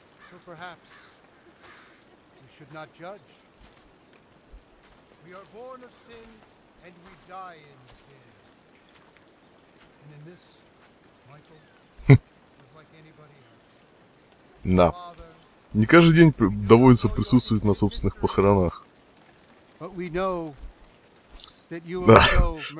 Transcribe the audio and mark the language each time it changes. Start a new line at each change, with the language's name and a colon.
English: So perhaps we should not judge. We are born of sin and we die in sin. And in this, Michael was like anybody else.
Russian: Да. Не каждый день доводится присутствовать на собственных похоронах.
English: But we know that you will show mercy.